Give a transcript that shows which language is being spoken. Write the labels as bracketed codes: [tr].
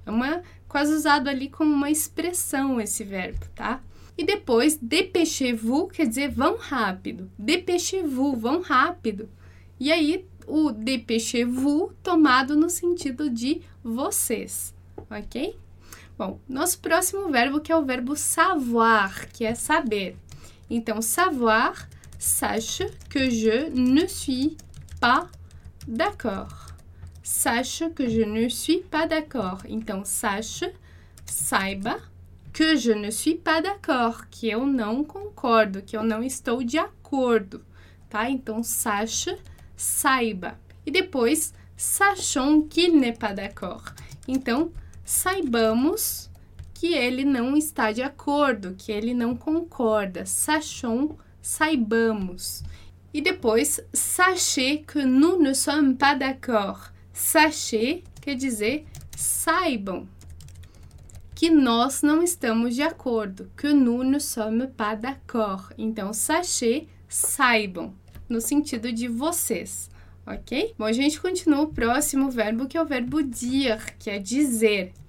[pt] É uma, quase usado ali como uma expressão esse verbo, tá? E depois, [fr] dépêchez-vous, [pt] quer dizer, vão rápido. [fr] Dépêchez-vous, [pt] vão rápido. E aí, o [fr] dépêchez-vous [pt] tomado no sentido de vocês, ok? Bom, nosso próximo verbo que é o verbo savoir, que é saber. Então, [fr] savoir, sache que je ne suis pas d'accord. Sache que je ne suis pas d'accord. [pt] Então, [fr] sache, [pt] saiba, [fr] que je ne suis pas d'accord. [pt] Que eu não concordo, que eu não estou de acordo. Tá? Então, [fr] sache, [pt] saiba. E depois, [fr] sachons qu'il n'est pas d'accord. [pt] Então, saibamos que ele não está de acordo, que ele não concorda. [fr] Sachons, [pt] saibamos. E depois, [fr] sachez que nous ne sommes pas d'accord. Sachez [pt] quer dizer saibam que nós não estamos de acordo, [fr] que nous ne sommes pas d'accord. [pt] Então, [fr] sachez, [pt] saibam, no sentido de vocês, ok? Bom, a gente continua o próximo verbo, que é o verbo dire, que é dizer.